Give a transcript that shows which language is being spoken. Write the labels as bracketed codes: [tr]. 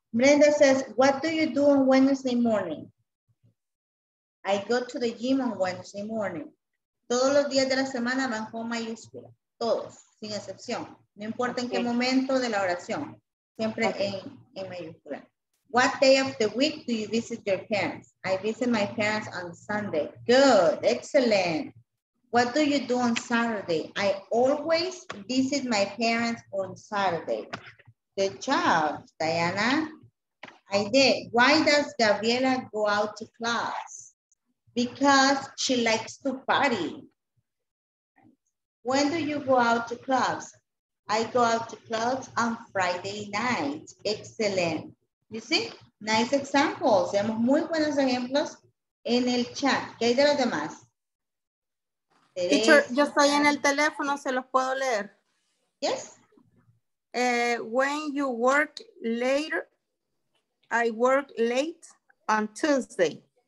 [en] Brenda says, what do you do on Wednesday morning? I go to the gym on Wednesday morning. [es] Todos los días de la semana van con mayúscula. Todos, sin excepción. No importa en qué momento de la oración. Siempre en mayúscula. [en] What day of the week do you visit your parents? I visit my parents on Sunday. Good, excellent. What do you do on Saturday? I always visit my parents on Saturday. Good job, Diana. I did. Why does Gabriela go out to class? Because she likes to party. When do you go out to clubs? I go out to clubs on Friday night. Excellent. You see? Nice examples. [es] Tenemos muy buenos ejemplos en el chat. ¿Qué hay de los demás? Teacher, yo estoy en el teléfono, se los puedo leer. [en] Yes. When you work later, I work late on Tuesday.